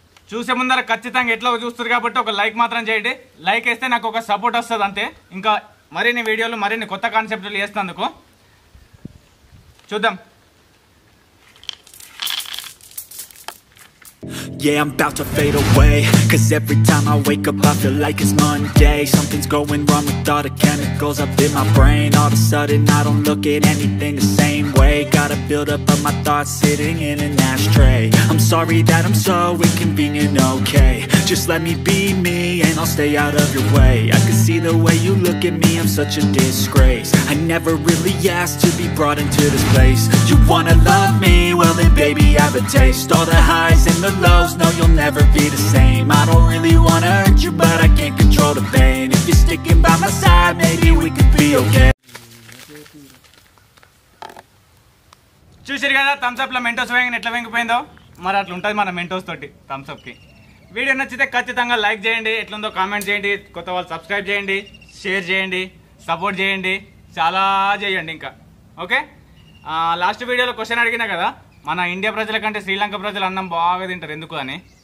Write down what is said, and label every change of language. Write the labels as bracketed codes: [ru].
[te] చూసే ముందర ఖచ్చితంగా ఎట్లా చూస్తారు కాబట్టి ఒక లైక్ మాత్రం చేయండి. లైక్ వేస్తే నాకు ఒక సపోర్ట్ వస్తుంది అంతే. ఇంకా మరిన్ని వీడియోలు, మరిన్ని కొత్త కాన్సెప్ట్లు వేస్తున్నందుకు చూద్దాం. [en] Yeah, I'm about to fade away. Cause every time I wake up I feel like it's Monday. Something's going wrong with all the chemicals up in my brain. All of a sudden I don't look at anything the same way. Gotta build up of my thoughts sitting in an ashtray. I'm sorry that I'm so inconvenient, okay. Just let me be me and I'll stay out of your way. I can see the way you look at me, I'm such a disgrace. I never really asked to be brought into this place. You wanna love me? Well then baby I have a taste. All the highs and the lows, no, you'll never be the same. I don't really wanna hurt you, but I can't control the pain. If you're sticking by my side, maybe we could be okay. [te] చూసారు కదా Thums up లో Mentos వేయగానే ఎట్లా వెంగిపోయిందో. మరి అట్లా ఉంటుంది మన Mentos తోటి థమ్స్ అప్ కి. వీడియో నచ్చితే ఖచ్చితంగా లైక్ చేయండి, ఎట్లుందో కామెంట్ చేయండి, కొత్త వాళ్ళు సబ్స్క్రైబ్ చేయండి, షేర్ చేయండి, సపోర్ట్ చేయండి, చాలా చేయండి ఇంకా. ఓకే, లాస్ట్ వీడియోలో క్వశ్చన్ అడిగినా కదా, మన ఇండియా ప్రజల కంటే శ్రీలంక ప్రజలు అన్నం బాగా తింటారు ఎందుకు అని.